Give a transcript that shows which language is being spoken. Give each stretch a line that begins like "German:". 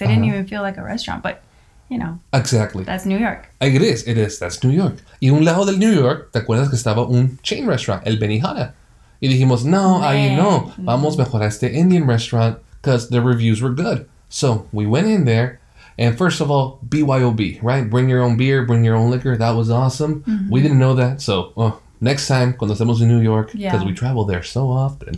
English: It didn't even feel like a restaurant, but you know. Exactly. That's New York. It is. That's New York.
Spanish: Y un lado del New York, ¿te acuerdas que estaba un chain restaurant, el Benihana? Y dijimos, no, ahí no. Vamos mejor a este
English: Indian restaurant because the reviews were good. So, we went in there, and first of all, BYOB, right? Bring your own beer, bring your own liquor. That was awesome. Mm-hmm. We didn't know that. So, next time,
Spanish: cuando estemos
English: in New York, because we travel there so often,